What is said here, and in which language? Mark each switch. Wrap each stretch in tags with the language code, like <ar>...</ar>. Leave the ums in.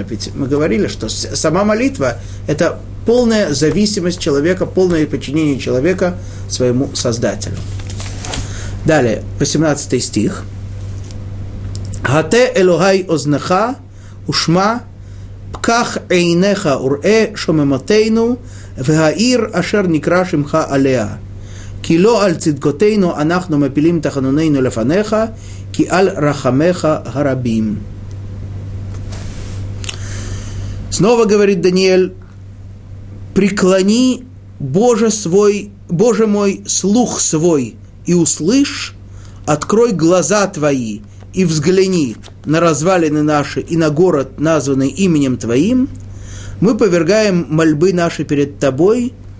<ru>Ведь мы говорили, что сама молитва – это полная зависимость человека, полное подчинение человека своему Создателю. Далее, 18 стих.</ru> <he>Гате Элохай ознаха ушма пках эйнеха урэ шомемотейну вгаир ашер никра шимха алеа. כי לא על צדקותינו אנחנו מפילים תחנוננו לפניך, כי על רחמך הרבים.</he> <ru>Снова говорит Даниэль, преклони, Боже, свой, Боже мой, слух свой, и услышь, открой глаза твои и взгляни на развалины наши и на город, названный именем твоим, мы повергаем мольбы наши перед тобой,</ru>